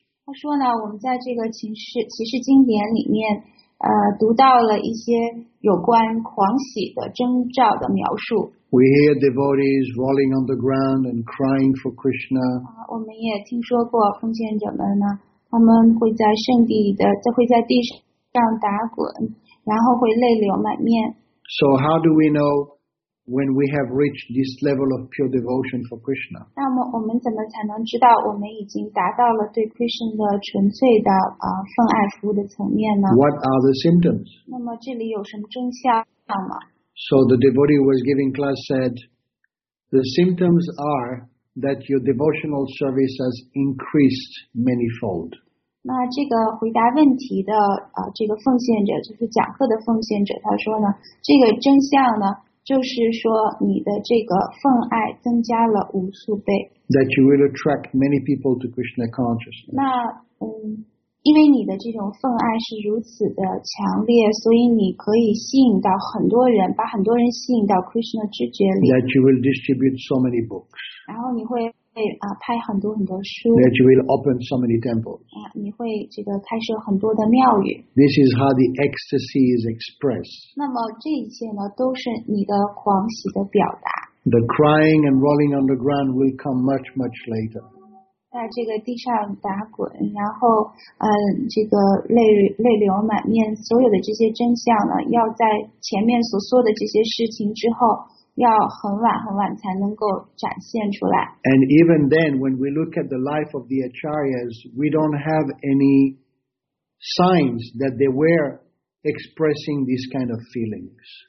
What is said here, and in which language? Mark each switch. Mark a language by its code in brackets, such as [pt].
[zh] 他说呢，我们在这个启示经典里面，读到了一些有关狂喜的征兆的描述。 [en] We hear devotees rolling on the ground and crying for Krishna. [zh] 我们也听说过奉献者们呢，他们会在圣地的，会在地上打滚，然后会泪流满面。 [en] So how do we know when we have reached this level of pure devotion for Krishna? [zh] 那么我们怎么才能知道我们已经达到了对 Krishna 的纯粹的奉爱服务的层面呢？ [en] What are the symptoms? [zh] 那么这里有什么征兆吗？ [en] So the devotee who was giving class said, the symptoms are that your devotional service has increased manyfold. [zh] 那这个回答问题的这个奉献者，就是讲课的奉献者，他说呢，这个真相呢，就是说你的这个奉爱增加了无数倍。 [en] That you will attract many people to Krishna consciousness. [zh] 那因为你的这种奉爱是如此的强烈，所以你可以吸引到很多人，把很多人吸引到 Krishna 知觉里。 [en] That you will distribute so many books. [zh] 然后你会拍很多很多书。 [en] That you will open so many temples. [zh] 你会这个开设很多的庙宇。 [en] This is how the ecstasy is expressed. [zh] 那么这一切呢，都是你的狂喜的表达。 [en] The crying and rolling on the ground will come much, much later. [zh] 在这个地上打滚，然后这个泪流满面，所有的这些真相呢，要在前面所说的这些事情之后，要很晚很晚才能够展现出来。 [en] And even then, when we look at the life of the acharyas, we don't have any signs that they were expressing these kind of feelings.